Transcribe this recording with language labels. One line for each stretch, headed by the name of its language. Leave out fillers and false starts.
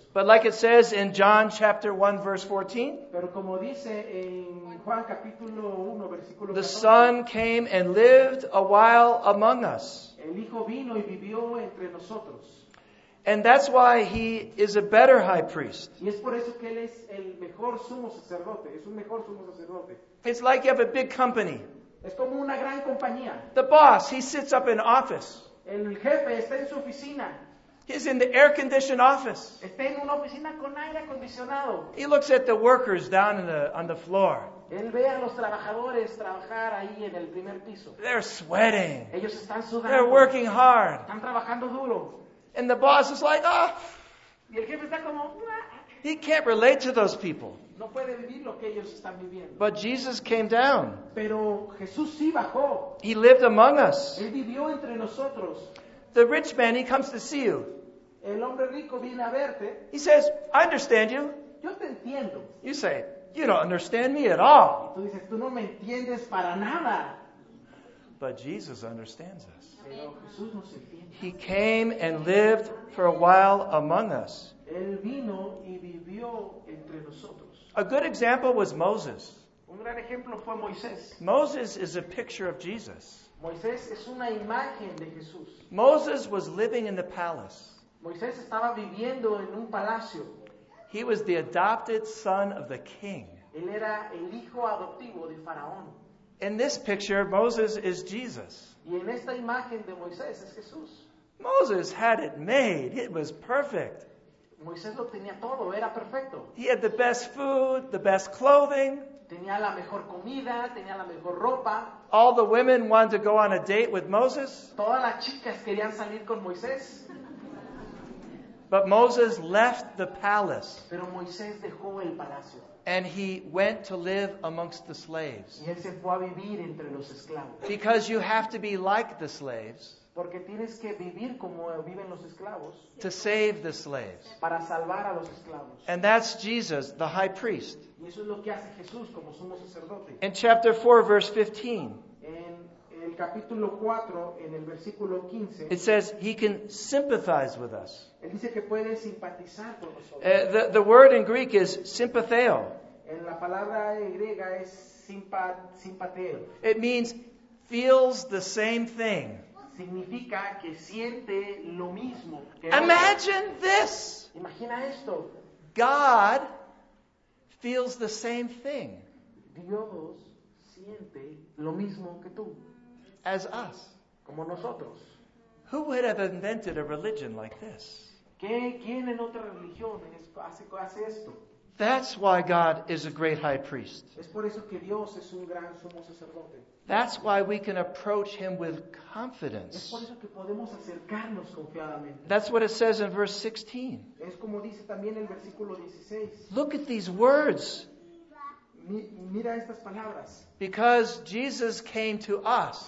English: But like it says in John chapter 1 verse 14.
Spanish: Pero como dice en Juan capítulo 1 versículo 14.
English: The Son came and lived a while among us.
Spanish: El Hijo vino y vivió entre nosotros.
English: And that's why he is a better high priest.
Spanish: Y es por eso que él es el mejor sumo sacerdote. Es un mejor sumo sacerdote.
English: It's like you have a big company.
Spanish: Es como una gran compañía.
English: The boss, he sits up in office.
Spanish: El jefe está en su oficina.
English: He's in the air-conditioned office.
Spanish: Está en una oficina con aire acondicionado.
English: He looks at the workers down on the floor.
Spanish: Él ve a los trabajadores trabajar ahí en el primer piso.
English: They're sweating.
Spanish: Ellos están sudando.
English: They're working hard.
Spanish: Están trabajando duro.
English: And the boss is like, oh.
Spanish: Y el jefe está como,
English: he can't relate to those people.
Spanish: No puede vivir lo que ellos están viviendo.
English: But Jesus came down.
Spanish: Pero Jesús sí bajó.
English: He lived among us.
Spanish: Él vivió entre nosotros.
English: The rich man, he comes to see you.
Spanish: El hombre rico viene a verte.
English: He says, I understand you.
Spanish: Yo te entiendo.
English: You say, you don't understand me at all.
Spanish: Y tú dices, tú no me entiendes para nada.
English: But Jesus understands us.
Spanish: Pero Jesús nos entiende.
English: He came and lived for a while among us.
Spanish: Él vino y vivió entre nosotros.
English: A good example was Moses.
Spanish: Un gran ejemplo fue Moisés.
English: Moses is a picture of Jesus.
Spanish: Moisés es una imagen de Jesús.
English: Moses was living in the palace.
Spanish: Moisés estaba viviendo en un palacio.
English: He was the adopted son of the king.
Spanish: Él era el hijo adoptivo de Faraón.
English: In this picture, Moses is Jesus.
Spanish: Y en esta imagen de Moisés es Jesús.
English: Moses had it made. It was perfect.
Spanish: Moisés lo tenía todo. Era perfecto.
English: He had the best food, the best clothing.
Spanish: Tenía la mejor comida, tenía la mejor ropa.
English: All the women wanted to go on a date with Moses.
Spanish: Todas las chicas querían salir con Moisés.
English: But Moses left the palace.
Spanish: Pero Moisés dejó el palacio.
English: And he went to live amongst the slaves.
Spanish: Y él se fue a vivir entre los esclavos.
English: Because you have to be like the slaves.
Spanish: Porque tienes que vivir como viven los esclavos.
English: To save the slaves.
Spanish: Para salvar a los esclavos.
English: And that's Jesus, the high priest.
Spanish: Y eso es lo que hace Jesús como sumo sacerdote.
English: In chapter 4, verse 15.
Spanish: En el capítulo 4, en el versículo 15.
English: It says he can sympathize with us.
Spanish: Él dice que puede simpatizar con nosotros.
English: The word in Greek is sympatheo.
Spanish: En la palabra griega es sympatheo.
English: It means feels the same thing.
Spanish: Significa que siente lo mismo que
English: imagine otro. This.
Spanish: Imagina esto.
English: God feels the same thing.
Spanish: Dios siente lo mismo que tú.
English: As us.
Spanish: Como nosotros.
English: Who would have invented a religion like this?
Spanish: ¿Quién en otra religión hace esto?
English: That's why God is a great high priest.
Spanish: Es por eso que Dios es un gran sumo sacerdote.
English: That's why we can approach him with confidence.
Spanish: Es por eso que podemos acercarnos confiadamente.
English: That's what it says in verse 16.
Spanish: Es como dice también el versículo 16.
English: Look at these words.
Spanish: Mira estas palabras.
English: Because Jesus came to us.